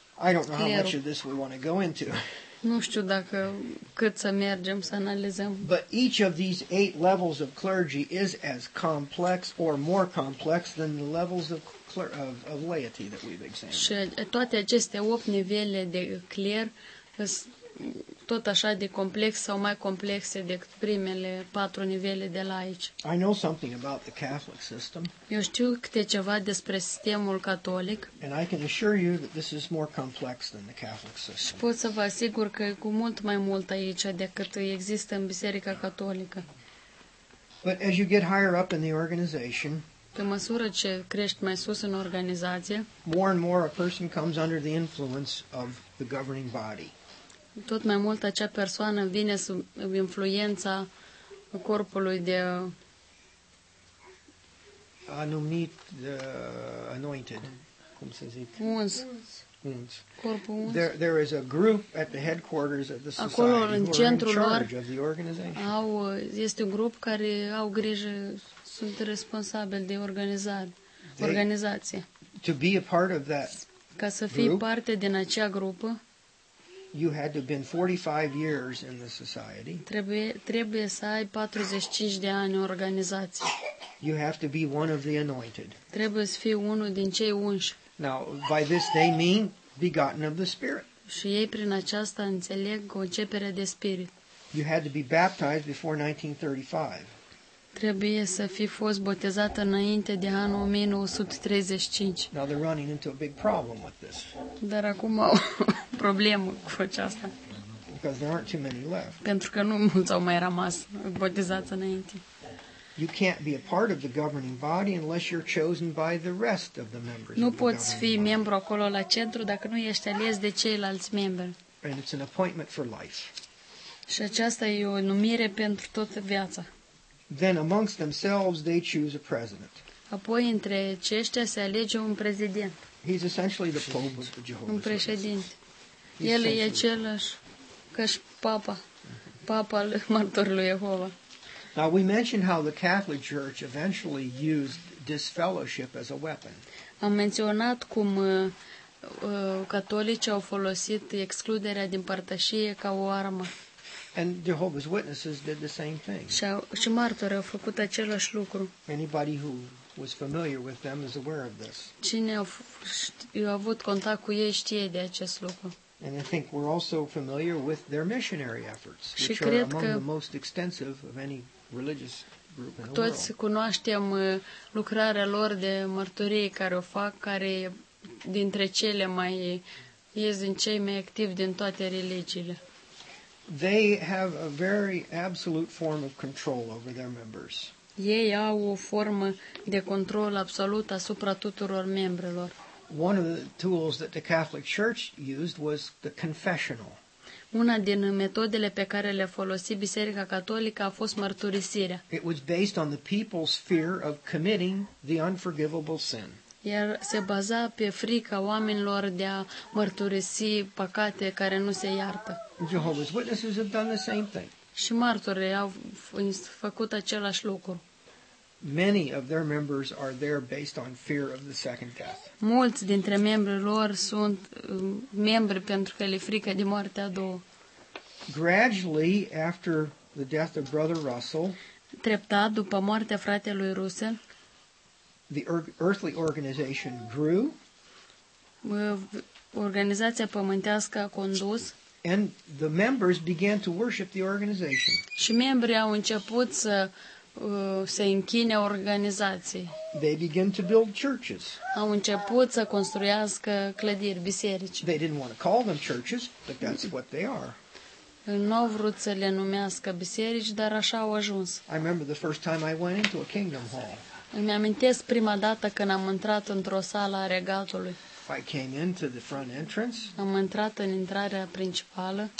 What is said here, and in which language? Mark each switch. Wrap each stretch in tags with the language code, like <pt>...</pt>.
<en>I don't know how much of this we want to go into.</en> <ro>Nu știu dacă cât să mergem să analizăm.</ro> <en>But each of these eight levels of clergy is as complex or more complex than the levels of laity that we've examined.</en> <ro>Și toate aceste 8 nivele de cler tot așa de complex sau mai complexe decât primele 4 nivele de laici.</ro> <en>I know something about the Catholic system.</en> <ro>Eu știu câte ceva despre sistemul catolic.</ro> <en>And I can assure you that this is more complex than the Catholic system.</en> <ro>Și pot să vă asigur că e cu mult mai mult aici decât există în Biserica Catolică.</ro> <en>But as you get higher up in the organization,</en> <ro>pe măsură ce crești mai sus în organizație,</ro> <en>more and more a person comes under the influence of the governing body.</en> <ro>Tot mai mult acea persoană vine sub influența corpului de anumit, anointed, cum se zic? Uns. Corpul uns.</ro> <en>There is a group at the headquarters of the society.</en> <ro>Acolo, în centrul lor,</ro> <en>of the organization.</en> <ro>Este un grup care au grijă, sunt responsabili de organizație.</ro> <en>To be a part of that group,</en> <ro>ca să fii parte din acea grupă,</ro> <en>you had to have been 45 years in the society.</en> <ro>Trebuie să ai 45 de ani în organizație.</ro> <en>You have to be one of the anointed.</en> <ro>Trebuie să fii unul din cei unși.</ro> <en>Now, by this they mean begotten of the Spirit.</en> <ro>Și ei prin aceasta înțeleg concepere de Spirit.</ro> <en>You had to be baptized before 1935.</en> <ro>Trebuie să fi fost botezat înainte de anul 1935.</ro> <en>Now they're running into a big problem with this.</en> <ro>Dar acum au problemă cu aceasta.</ro> <en>Because there aren't too many left.</en> <ro>Pentru că nu mulți au mai rămas botezați înainte.</ro> <en>You can't be a part of the governing body unless you're chosen by the rest of the members.</en> <ro>Nu poți fi membru acolo la centru dacă nu ești ales de ceilalți membri.</ro> <en>And it's an appointment for life.</en> <ro>Și aceasta e o numire pentru toată viața.</ro> <en>Then amongst themselves they choose a president.</en> <ro>Apoi între aceștia se alege un președinte.</ro> <en>He's essentially the Pope of Jehovah's.</en> <ro>Un președinte. El e același ca și papa Mărturilor Jehova.</ro> <en>Now we mentioned how the Catholic Church eventually used disfellowship as a weapon.</en> <ro>Am menționat cum catolicii au folosit excluderea din părtășie ca o armă.</ro> <en>And Jehovah's Witnesses did the same thing.</en> <ro>Și martorii au făcut același lucru.</ro> <en>Anybody who was familiar with them is aware of this.</en> <ro>Cine a avut contact cu ei știe de acest lucru.</ro> <en>And I think we're also familiar with their missionary efforts, which are among the most extensive of any religious group in the world.</en> <ro>Toți cunoaștem lucrarea lor de mărturie care o fac, care dintre cele mai ies din cei mai activi din toate religiile.</ro> <en>They have a very absolute form of control over their members.</en> <ro>Ei au o formă de control absolut asupra tuturor membrilor.</ro> <en>One of the tools that the Catholic Church used was the confessional.</en> <ro>Una din metodele pe care le-a folosit Biserica Catolică a fost mărturisirea.</ro> <en>It was based on the people's fear of committing the unforgivable sin.</en> <ro>Iar se baza pe frica oamenilor de a mărturisi păcate care nu se iartă.</ro> <en>Jehovah's Witnesses have done the same thing.</en> <ro>Și martorii au făcut același lucru.</ro> <en>Many of their members are there based on fear of the second death.</en> <ro>Mulți dintre membrii lor sunt membri pentru că le frică de moartea a doua.</ro> <en>Gradually after the death of Brother Russell,</en> <ro>treptat după moartea fratelui Russell,</ro> <en>the earthly organization grew.</en> <ro>Organizația pământească a condus.</ro> <en>And the members began to worship the organization.</en> <ro>Și membrii au început să se închine organizații.</ro> <en>They begin to build churches.</en> <ro>Au început să construiască clădiri, biserici.</ro> <en>They didn't want to call them churches, but that's what they are.</en> <ro>Nu au vrut să le numească biserici, dar așa au ajuns.</ro> <en>I remember the first time I went into a kingdom hall.</en> <ro>Îmi amintesc prima dată când am intrat într-o sală a regatului.</ro> <en>I came into the front entrance.</en> <ro>Am intrat în intrarea principală.</ro>